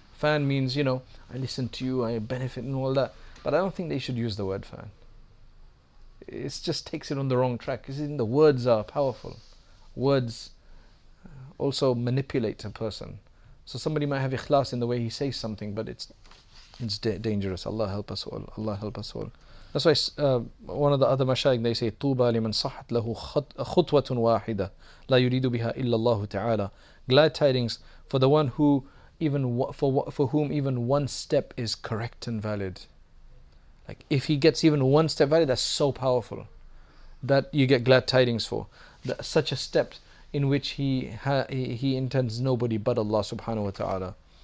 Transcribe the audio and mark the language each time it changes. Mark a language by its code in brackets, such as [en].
[en] Fan means, you know, I listen to you, I benefit and all that. But I don't think they should use the word fan. It just takes it on the wrong track. Because the words are powerful. Words also manipulate a person. So somebody might have ikhlas in the way he says something, but it's dangerous. Allah help us all. Allah help us all. That's why one of the other mashayikh, they say, [ar] طوبى لمن صحت له خطوة واحدة لا يريد بها إلا الله تعالى. [en] Glad tidings for the one who even for whom even one step is correct and valid. Like if he gets even one step valid, that's so powerful that you get glad tidings for that, such a step in which he intends nobody but Allah subhanahu wa ta'ala.